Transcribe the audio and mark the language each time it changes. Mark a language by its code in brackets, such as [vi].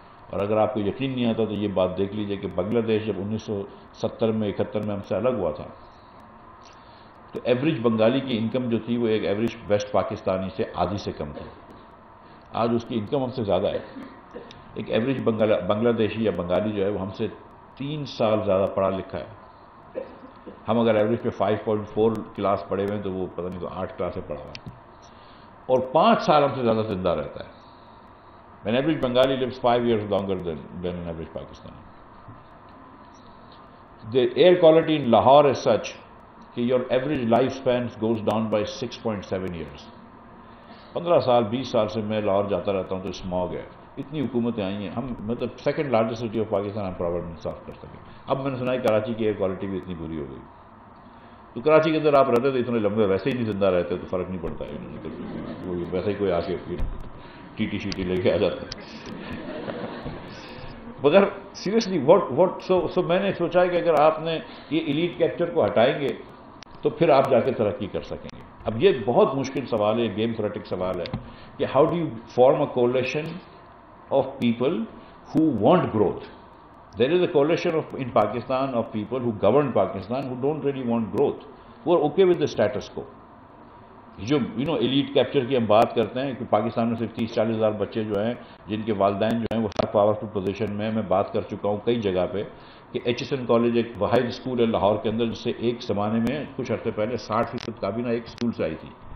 [ur] اور اگر آپ کو یقین نہیں آتا تو یہ بات دیکھ لیجئے کہ بنگلہ دیش جب 1970 میں 1971 میں ہم سے الگ ہوا تھا, تو ایوریج بنگالی کی انکم جو تھی وہ ایک ایوریج ویسٹ پاکستانی سے آدھی سے کم تھی, آج اس کی انکم ہم سے زیادہ ہے. ایک ایوریج بنگلہ دیشی یا بنگالی جو ہے وہ ہم سے 3 سال زیادہ پڑھا لکھا ہے, ہم اگر ایوریج پہ 5.4 کلاس پڑھے ہوئے ہیں تو وہ پتہ نہیں تو 8 کلاسیں پڑھا ہوا ہے, اور 5 سال ہم سے زیادہ زندہ رہتا ہے. [en] When average Bengali lives 5 years longer than an average Pakistani. The air quality in Lahore is such کہ your average life spans goes down by 6.7 years. [ur] 15 سال 20 سال سے میں لاہور جاتا رہتا ہوں تو اسموگ ہے, اتنی حکومتیں آئی ہیں, ہم مطلب [en] second largest city of Pakistan [ur] ہم پرابلم سالو کر سکیں. اب میں نے سنا ہے کراچی کی ایئر کوالٹی بھی اتنی بری ہو گئی, تو کراچی کے اندر آپ رہتے تھے اتنے لمبے ویسے ہی نہیں زندہ رہتے تو فرق نہیں پڑتا ہے, ویسے ہی کوئی آ کے ٹی ٹی شی ٹی لے کے آ جاتا. مگر [en] seriously what so [ur] میں نے سوچا ہے کہ اگر آپ نے یہ ایلیٹ کیپچر کو ہٹائیں گے تو پھر آپ جا کے ترقی کر سکیں گے. اب یہ بہت مشکل سوال ہے, گیم تھریٹک سوال ہے کہ [en] How do you form a coalition of people who want growth. There is a coalition of in Pakistan of people who govern Pakistan who don't really want growth, who are okay with the status quo. [ur] جو [en] you know [ur] elite capture کی ہم بات کرتے ہیں کہ پاکستان میں صرف 30-40 ہزار بچے جو ہیں جن کے والدین جو ہیں وہ ہر پاورفل پوزیشن میں ہیں. میں بات کر چکا ہوں کئی جگہ پہ کہ ایچ ایس این کالج ایک واحد اسکول ہے لاہور کے اندر جس سے ایک زمانے میں کچھ عرصے پہلے 60% کابینہ ایک اسکول سے آئی تھی.